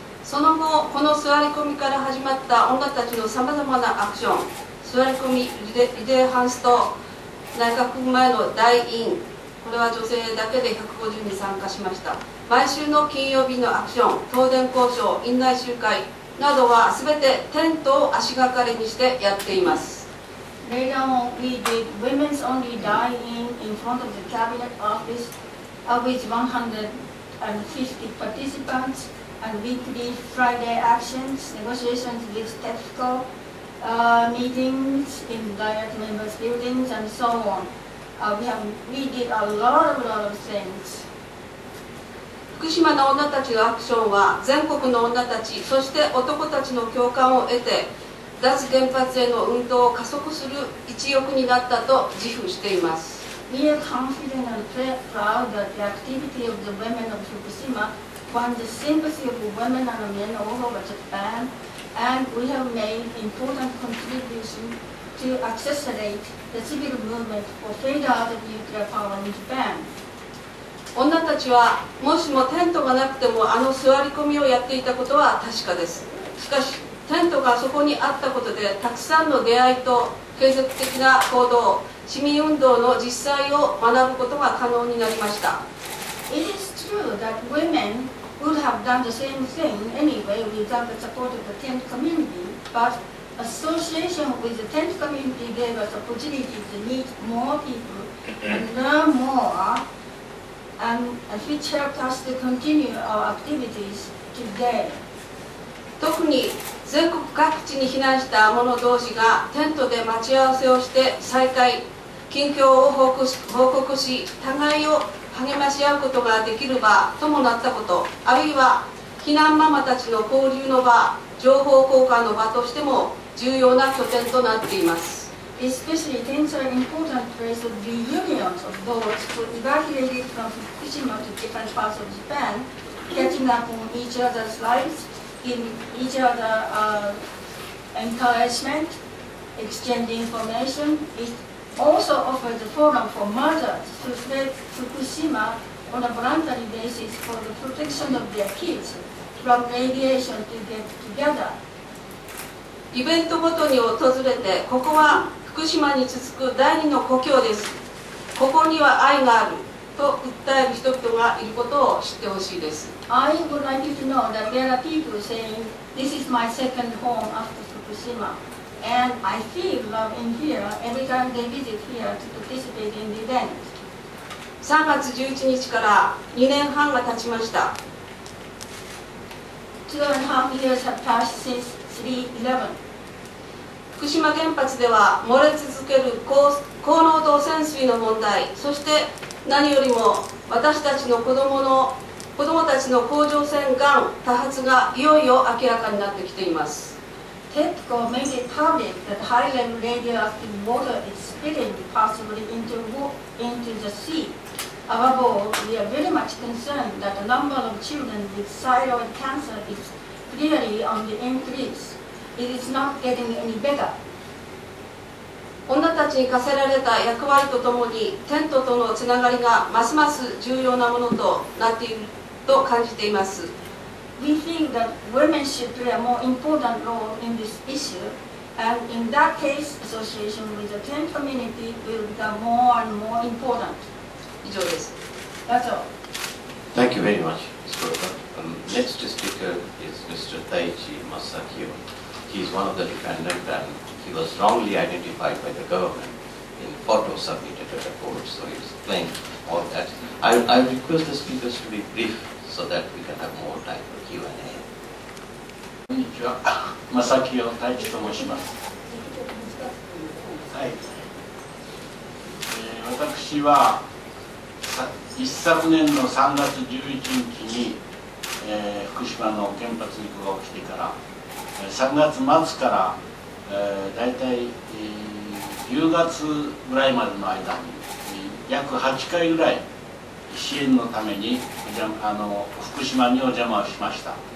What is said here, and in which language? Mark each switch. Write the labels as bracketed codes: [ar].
[ja] その後、この座り込みから始まった女たちのさまざまなアクション、座り込み、リレーハンスト、内閣府前の大院、これは女性だけで150人参加しました。毎週の金曜日のアクション、東電交渉、院内集会などは全てテントを足がかりにしてやっています。 [en] Later on, we did women's only dine-in in front of the cabinet office, of which 150 participants, and weekly Friday actions, negotiations with TEPCO, meetings in direct members' buildings, and so on. We did a lot of things. [ja] 福島の女たちのアクションは全国の女たち、そして男たちの共感を得て、脱原発への運動を加速する一翼になったと自負しています。 [en] We are confident and proud that the activity of the women of Fukushima won the sympathy of women and men all over Japan, and we have made important contribution to accelerate the civil movement for fade out of nuclear power in Japan. [ja] 女たちはもしもテントがなくてもあの座り込みをやっていたことは確かです。しかしテントがそこにあったことでたくさんの出会いと継続的な行動、市民運動の実際を学ぶことが可能になりました。 [en] It is true that women would have done the same thing anyway without the support of the tent community, but association with the tent community gave us opportunity to meet more people and learn moreAnd which helped us to continue our activities today. [ja] 特に全国各地に避難した者同士がテントで待ち合わせをして再会、近況を報告し、互いを励まし合うことができる場ともなったこと、あるいは避難ママたちの交流の場、情報交換の場としても重要な拠点となっています。 [en] Especially, tents are an important place of reunions of those who evacuated from Fukushima to different parts of Japan, catching up on each other's lives, giving each other encouragement, exchanging information. It also offers a forum for mothers to fled Fukushima on a voluntary basis for the protection of their kids from radiation to get together. [ja] イベントごとに訪れて、ここは福島に続く第二の故郷です。ここには愛があると訴える人々がいることを知ってほしいです。 [en] I would like you to know that there are people saying, this is my second home after Fukushima. And I feel love in here every time they visit here to participate in the event. [ja] 3月11日から2年半が経ちました。 [en] 2 and a half years have passed since 3/11. [ja] 福島原発では漏れ続ける高濃度汚染水の問題、そして何よりも私たちの子どもたちの甲状腺がん多発がいよいよ明らかになってきています。 [en] TEPCO made it public that high level radioactive water is spilling possibly into the sea. Above all, we are very much concerned that the number of children with thyroid cancer is clearly on the increase. It is not getting any better. [ja] 女たちに課せられた役割とともにテントとのつながりがますます重要なものとなっていると感じています。 [en] We think that women should play a more important role in this issue, and in that case, association with the tent community will become more and more important. [ja] 以上です。 [en] That's all. Thank you very much, Mr. Robert. Next speaker is Mr. Taichi MasakiyoHe is one of the defendants, and he was wrongly identified by the government in photo submitted at the court, so he explained all that. I request the speakers to be brief so that we can have more time for Q&A. [ja] こんにちは。マサキヨ大地と申します。はい。私は一昨年の3月11日に、福島の原発事故が起きてから3月末から、大体、10月ぐらいまでの間に、約8回ぐらい支援のために福島にお邪魔をしました。